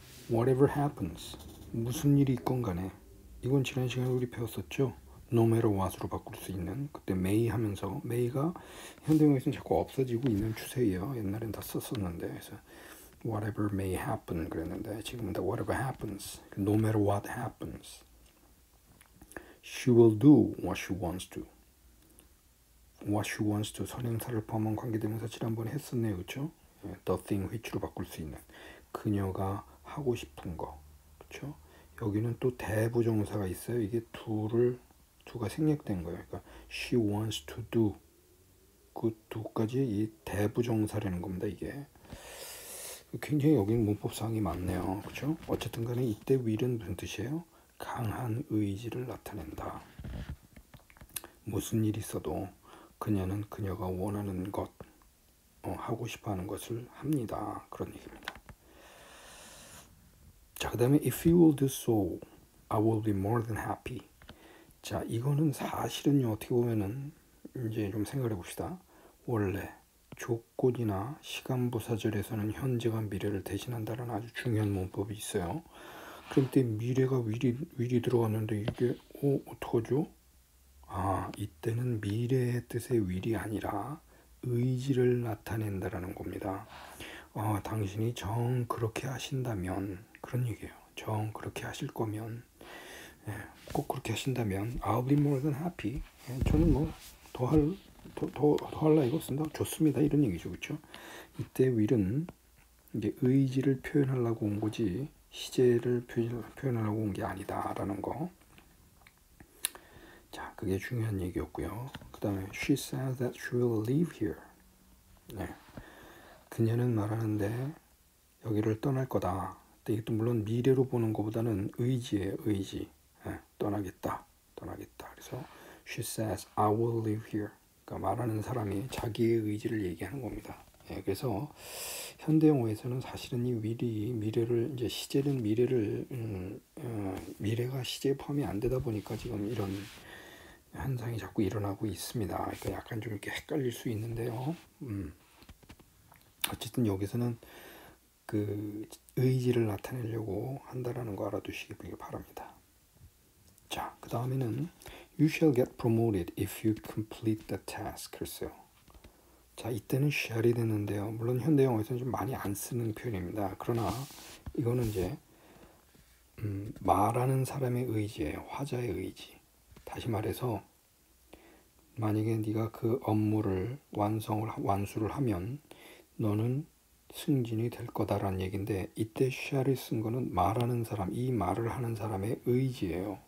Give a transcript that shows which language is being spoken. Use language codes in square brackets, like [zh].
[en] Whatever happens. [ko] 무슨 일이 있건 간에 이건 지난 시간에 우리 배웠었죠. [en] No matter what [ko] 으로 바꿀 수 있는 그때 may 하면서 may가 현대용에서는 자꾸 없어지고 있는 추세예요. 옛날엔 다 썼었는데 그래서 [en] whatever may happen [ko] 그랬는데 지금은 다 [en] whatever happens. No matter what happens, she will do what she wants to. What she wants to [ko] 선행사를 포함한 관계대명사 지난번에 했었네요, 그렇죠? [en] The thing which [ko] 로 바꿀 수 있는 그녀가 하고 싶은 거, 그렇죠? 여기는 또 대부정사가 있어요. 이게 두가 생략된 거예요. 그러니까 [en] she wants to do [ko] 그 두까지 이 대부정사라는 겁니다. 이게 굉장히 여기 문법 사항이 많네요. 그렇죠? 어쨌든 간에 이때 will은 무슨 뜻이에요? 강한 의지를 나타낸다. 무슨 일이 있어도 그녀는 그녀가 원하는 것, 하고 싶어하는 것을 합니다. 그런 얘기입니다. 자, 그 다음에 [en] If you will do so, I will be more than happy. [ko] 자, 이거는 사실은요, 어떻게 보면은 이제 좀 생각을 해봅시다. 원래 조건이나 시간 부사절에서는 현재가 미래를 대신한다는 아주 중요한 문법이 있어요. 그럼 때 미래가 위리 들어갔는데 이게 어떡하죠? 아, 이때는 미래의 뜻의 위리 아니라 의지를 나타낸다라는 겁니다. 당신이 정 그렇게 하신다면 그런 얘기예요. 정 그렇게 하실 거면, 예, 꼭 그렇게 하신다면, [en] I'll be more than happy. [ko] 예, 저는 뭐, 더할 나위 없습니다. 좋습니다. 이런 얘기죠. 그쵸? 이때 will은 이게 의지를 표현하려고 온 거지, 시제를 표현하려고 온게 아니다라는 거. 자, 그게 중요한 얘기였고요. 그 다음에, [en] she said that she will leave here. [ko] 예. 그녀는 말하는데, 여기를 떠날 거다. 근데 이것도 물론 미래로 보는 것보다는 의지예요, 의지. 예, 떠나겠다, 떠나겠다. 그래서 [en] she says, I will live here. [ko] 그러니까 말하는 사람이 자기의 의지를 얘기하는 겁니다. 예, 그래서 현대 영어에서는 사실은 이 will이 미래를 이제 시제는 미래를 미래가 시제에 포함이 안 되다 보니까 지금 이런 현상이 자꾸 일어나고 있습니다. 그러니까 약간 좀 이렇게 헷갈릴 수 있는데요. 어쨌든 여기서는 그 의지를 나타내려고 한다라는 거 알아두시기 바랍니다. 자, 그 다음에는 [en] You shall get promoted if you complete the task. [ko] 글쎄요. 자, 이때는 shall이 되는데요. 물론 현대 영어에서는 좀 많이 안 쓰는 표현입니다. 그러나 이거는 이제 말하는 사람의 의지예요. 화자의 의지. 다시 말해서 만약에 네가 그 업무를 완수를 하면 너는 승진이 될 거다라는 얘기인데 이때 shall이 쓴 거는 말하는 사람, 이 말을 하는 사람의 의지예요.